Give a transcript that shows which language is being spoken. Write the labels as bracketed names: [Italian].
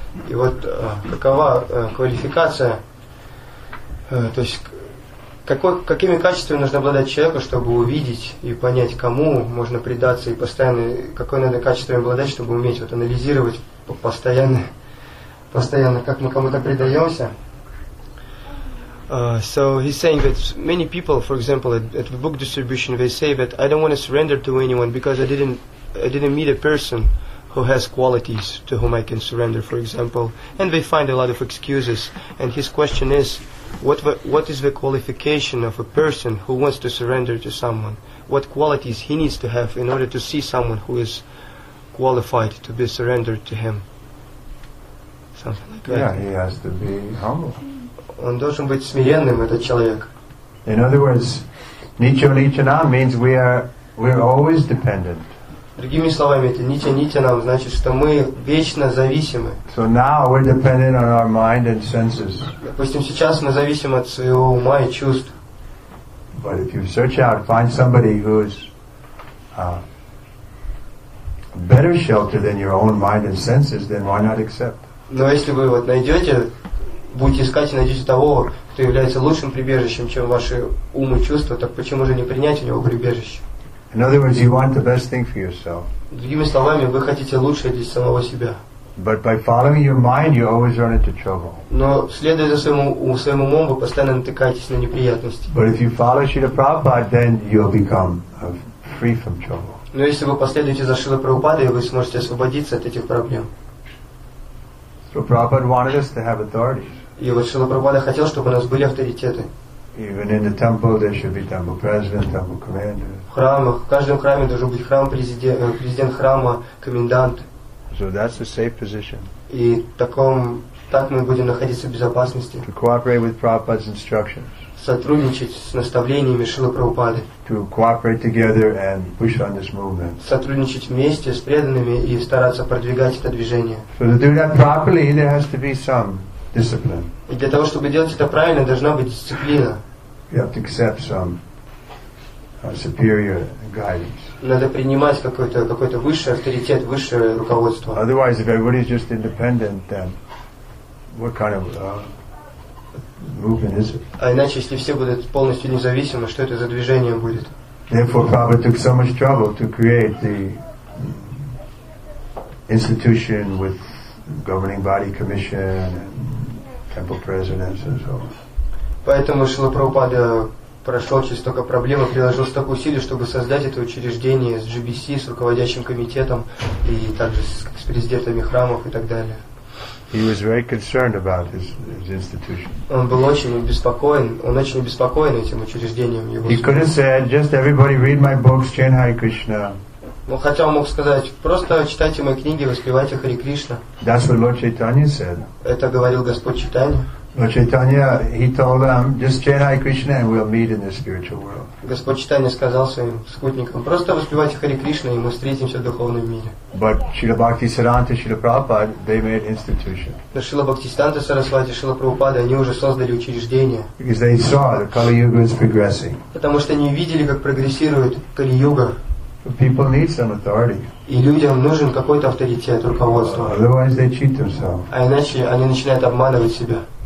[Russian] И вот какова квалификация, то есть какими качествами нужно обладать человеку, чтобы увидеть и понять, кому можно предаться, и постоянно, какое надо качество обладать, чтобы уметь вот анализировать постоянно, как мы кому-то предаемся. [English] So he's saying that many people, for example, at the book distribution, they say that I don't want to surrender to anyone because I didn't meet a person who has qualities to whom I can surrender, for example. And they find a lot of excuses. And his question is, what is the qualification of a person who wants to surrender to someone? What qualities he needs to have in order to see someone who is qualified to be surrendered to him? Something like that. Yeah, he has to be humble. [Russian] Он должен быть смиренным, этот человек. [English] In other words, nicho nichanam means we're always dependent. [Russian] Другими словами, это nicho nichanam значит, что мы вечно зависимы. [English] So now we're dependent on our mind and senses. [Russian] Допустим, сейчас мы зависим от своего ума и чувств. [English] But if you search out, find somebody who's better shelter than your own mind and senses, then why not accept? [Russian] Но если вы вот найдете, будете искать и найдете того, кто является лучшим прибежищем, чем ваши умы и чувства, так почему же не принять у него прибежище? [English] In other words, you want the best thing for yourself. [Russian] Другими словами, вы хотите лучшее для самого себя. [English] But by following your mind, you always run into trouble. [Russian] Но следуя за своим умом, вы постоянно натыкаетесь на неприятности. [English] But if you follow Srila Prabhupada, then you'll become free from trouble. [Russian] Но если вы последуете за Шрилой Прабхупадой, вы сможете освободиться от этих проблем. [English] So Prabhupada wanted us to have authorities. [Russian] И вот Шрила Прабхупада хотел, чтобы у нас были авторитеты. [English] Even in the temple, there should be temple president, temple commander. [Russian] В храмах, в каждом храме должен быть храм президент храма, комендант. [English] So that's a safe position. [Russian] И так мы будем находиться в безопасности. [English] To cooperate with Prabhupada's instructions. [Russian] Сотрудничать с наставлениями Шрилы Прабхупады. [English] To cooperate together and push on this movement. [Russian] Сотрудничать вместе с преданными и стараться продвигать это движение. [English] So to do that properly, there has to be some discipline. [Russian] И для того, чтобы делать это правильно, должна быть дисциплина. [English] You have to accept some superior guidance. [Russian] Надо принимать какой-то высший авторитет, высшее руководство. [English] Otherwise, if everybody is just independent, then what kind of movement is it? [Russian] А иначе, если все будут полностью независимы, что это за движение будет? [English] Therefore, Prabhupada took so much trouble to create the institution with governing body commission and temple presidents and so on. [Russian] Поэтому Шрила Прабхупада прошел через столько проблем и приложил столько усилий, чтобы создать это учреждение с GBC, с руководящим комитетом и также с президентами храмов и так далее. [English] He was very concerned about his institution. [Russian] Он был очень обеспокоен. Он очень обеспокоен этим учреждением. [English] He could have said, "Just everybody read my books, chant Hare Krishna." [Russian] Но хотя он мог сказать, просто читайте мои книги, воспевайте Хари Кришна. [English] That's what Lord Chaitanya said. [Russian] Это говорил Господь Чайтанья. [English] Lord Chaitanya, he told them, "Just chant Hare Krishna, and we'll meet in the spiritual world." [Russian] Господь Чайтанья сказал своим спутникам, просто воспевайте Хари Кришна, и мы встретимся в духовном мире. [English] But Srila Bhaktisiddhanta, Srila Prabhupada, they made institution. [Russian] Но Шрила Бхактисиддханта Сарасвати, Шрила Прабхупада, они уже создали учреждение. [English] Because they saw that Kali Yuga is progressing. [Russian] Потому что они видели, как прогрессирует Кали Юга. [English] People need some authority. [Russian] И людям нужен какой-то авторитет, руководство. [English] Otherwise, they cheat themselves. [Russian] А иначе они начинают обманывать себя.